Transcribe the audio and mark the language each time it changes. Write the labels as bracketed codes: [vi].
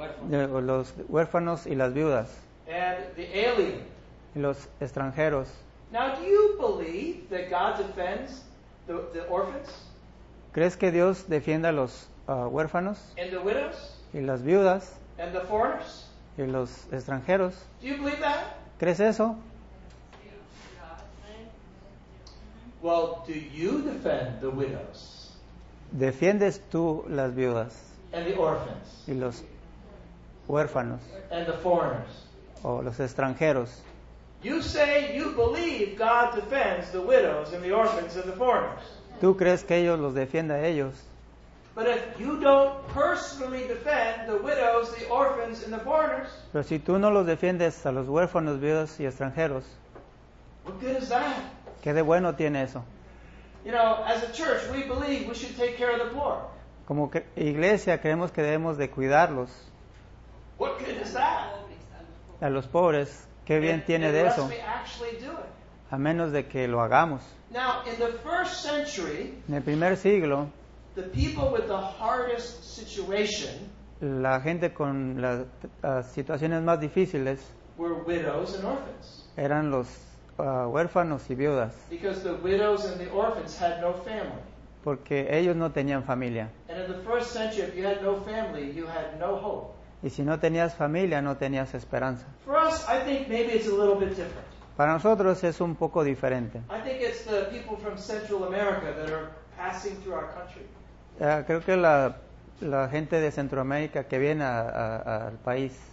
[es] Los huérfanos y las viudas. [en] And the alien. [es] Y los extranjeros. [en] Now, do you believe that God defends the orphans? [es] ¿Crees que Dios defienda a los huérfanos? [en] And the widows? [es] Y las viudas. [en] And the foreigners? [es] Y los extranjeros. [en] Do you believe that? [es] ¿Crees eso? [en] Well, do you defend the widows? [es] ¿Defiendes tú las viudas? [en] And the orphans. [es] Y los huérfanos. [en] And the foreigners. [es] O los extranjeros. [en] You say you believe God defends the widows and the orphans and the foreigners. [es] Tú crees que ellos los defienda a ellos. [en] But if you don't personally defend the widows, the orphans and the foreigners. [es] Pero si tú no los defiendes a los huérfanos, viudas y extranjeros. [en] What good is that? [es] ¿Qué de bueno tiene eso? [en] You know, as a church, we believe we should take care of the poor. [es] Como iglesia creemos que debemos de cuidarlos. [en] What good is that? [es] A los pobres, ¿qué bien tiene de eso? A menos de que lo hagamos. [en] Now, in the first century, [es] en el primer siglo, [en] the people with the hardest situation, [es] la gente con las situaciones más difíciles, [en] were widows and orphans. [es] Eran los huérfanos y viudas. [en] Because the widows and the orphans had no family. [es] Porque ellos no tenían familia. [en] And in the first century, if you had no family, you had no hope. [es] Y si no tenías familia, no tenías esperanza. [en] For us, I think maybe it's a little bit different. [es] Para nosotros es un poco diferente. [en] I think it's the people from Central America that are passing through our country. [es] Creo que la gente de Centroamérica que viene al país.